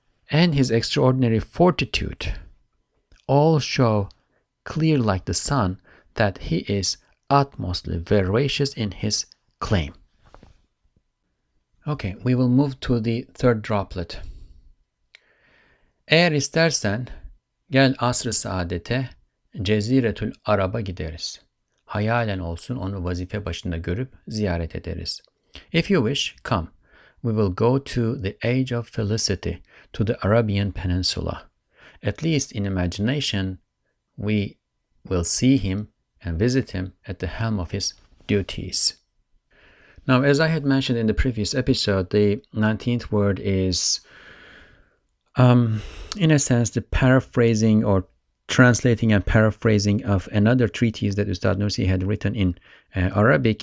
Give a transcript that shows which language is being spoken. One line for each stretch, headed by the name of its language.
English: And his extraordinary fortitude all show clear like the sun that he is utmostly veracious in his claim. Okay, we will move to the third droplet.
Turkish: Eğer istersen gel asr-ı saadete ceziretül araba gideriz. Hayalen olsun onu vazife başında görüp ziyaret ederiz.
English: If you wish, come. We will go to the age of felicity, to the Arabian Peninsula. At least in imagination, we will see him and visit him at the helm of his duties. Now, as I had mentioned in the previous episode, the 19th word is, in a sense, the paraphrasing or translating and paraphrasing of another treatise that Ustad Nursi had written in Arabic.